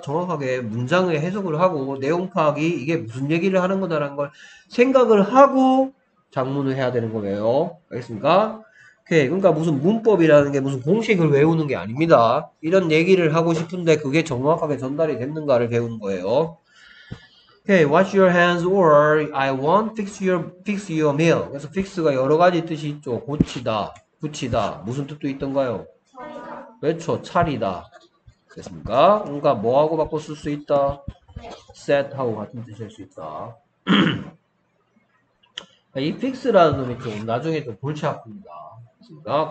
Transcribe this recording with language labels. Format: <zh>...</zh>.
<ko>정확하게 문장을 해석을 하고 내용 파악이 이게 무슨 얘기를 하는 거다라는 걸 생각을 하고 작문을 해야 되는 거예요. 알겠습니까? 오케이. 그러니까 무슨 문법이라는 게 무슨 공식을 외우는 게 아닙니다. 이런 얘기를 하고 싶은데 그게 정확하게 전달이 됐는가를 배우는 거예요.</ko> <en>Okay, wash your hands or I won't fix your meal.</en> <ko>그래서 fix가 여러 가지 뜻이 있죠. 고치다, 붙이다. 무슨 뜻도 있던가요? 그렇죠. 차리다. 그랬습니까? 뭔가 뭐하고 바꿀 수 있다? set하고 같은 뜻일 수 있다. 이 fix라는 놈이 좀 나중에 좀 골치 아픕니다. 그랬습니까?</ko>